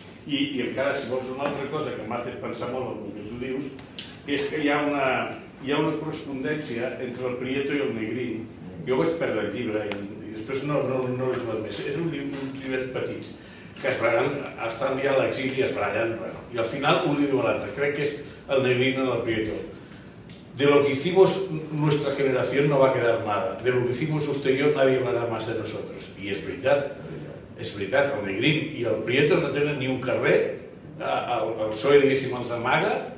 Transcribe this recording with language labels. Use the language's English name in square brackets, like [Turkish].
[Catalan] I encara, si vols, una altra cosa que m'ha fet pensar molt en el que tu dius, és que hi ha una correspondència entre el Prieto i el Negrín. Jo vaig perdre el llibre i després no l'he trobat més. És uns llibres petits que estan ja a l'exili i es barallen. Bueno, i al final un li diu a l'altre. Crec que és el Negrín en el Prieto. [Spanish] De lo que hicimos nuestra generación no va a quedar nada. De lo que hicimos usted y yo nadie hablará más de nosotros. [Catalan] I és veritat. És veritat. El Negrín i el Prieto no tenen ni un carrer. El PSOE, diguéssim, els amaga